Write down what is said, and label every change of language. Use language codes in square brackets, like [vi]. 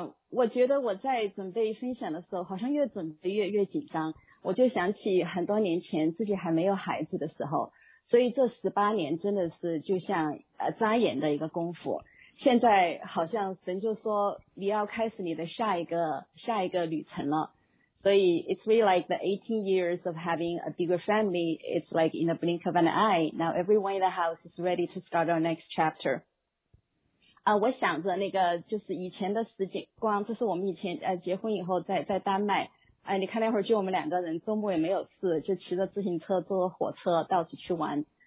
[zh] 我觉得我在准备分享的时候好像越准备越紧张。我就想起很多年前自己还没有孩子的时候，所以这18年真的是就像眨眼的一个功夫。现在好像神就说你要开始你的下一个旅程了，所以 [en] it's really like the 18 years of having a bigger family, it's like in a blink of an eye, now everyone in the house is ready to start our next chapter. [zh] 我想着那个就是以前的时间光，这是我们以前结婚以后在丹麦。你看那会儿就我们两个人，周末也没有事，就骑着自行车坐着火车到处去玩。